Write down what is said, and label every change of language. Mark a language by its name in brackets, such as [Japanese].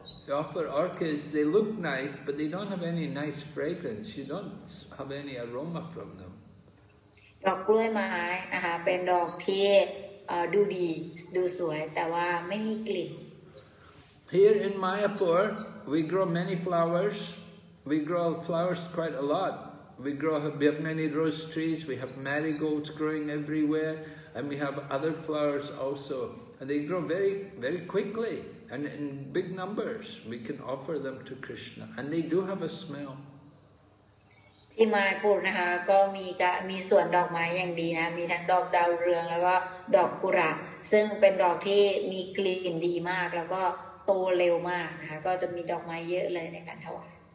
[English] You offer orchids, they look nice, but they don't have any nice fragrance. You don't have any aroma from them. [Thai] ดอกกล้วยไม้นะคะเป็นดอกที่ดูดีดูสวยแต่ว่าไม่มีกลิ่น [English] Here in Mayapur, we grow many flowers. We grow flowers quite a lot. We have many rose trees. We have marigolds growing everywhere. And we have other flowers also, and they grow very, very quickly and in big numbers. We can offer them to Krishna, and they do have a smell. [Thai] ที่มาปุรนะคะก็มีสวนดอกไม้อย่างดีนะมีทั้งดอกดาวเรืองแล้วก็ดอกกุหลาบซึ่งเป็นดอกที่มีกลิ่นดีมากแล้วก็โตเร็วมากนะคะก็จะมีดอกไม้เยอะเลยในการถวาย